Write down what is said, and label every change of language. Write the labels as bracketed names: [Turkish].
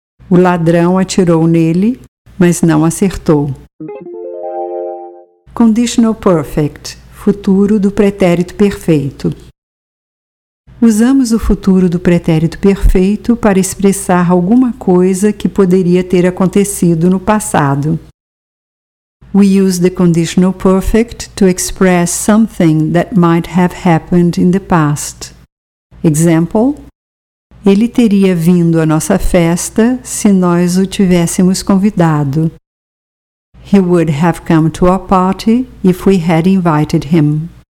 [Portuguese] O ladrão atirou nele, mas não acertou. [English] Conditional perfect, [Portuguese] futuro do pretérito perfeito. Usamos o futuro do pretérito perfeito para expressar alguma coisa que poderia ter acontecido no passado. [English] We use the conditional perfect to express something that might have happened in the past. [Portuguese] Example: ele teria vindo à nossa festa se nós o tivéssemos convidado. [English] He would have come to our party if we had invited him.